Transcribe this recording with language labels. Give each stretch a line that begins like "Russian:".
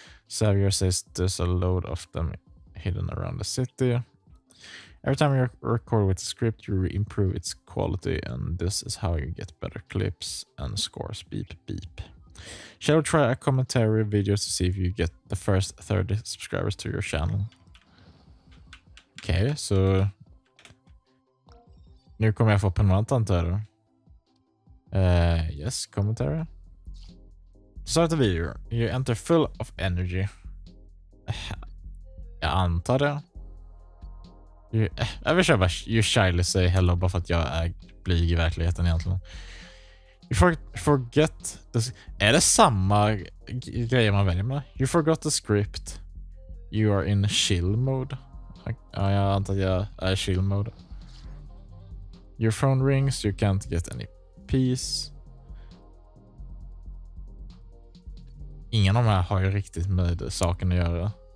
English: Xavier says there's a load of them hidden around the city. Every time you record with script, you improve its quality, and this is how you get better clips and scores. Beep, beep. Shall we try a commentary video to see if you get the first 30 subscribers to your channel?
Swedish: Okej, så nu kommer jag få prenumerant, antar jag.
English: Yes, commentary. Start the video. You enter full of energy.
Swedish: Jag antar det. Jag vill köra bara
English: you shyly say hello
Swedish: bara för att jag är blyg i verkligheten egentligen.
English: You forget this.
Swedish: Är det samma grejer man väljer med?
English: You forgot the script. You are in chill mode.
Swedish: Ja, jag antar att jag är chill mode.
English: Your phone rings, you can't get any peace.
Swedish: Ingen av dem har ju riktigt med saken att göra.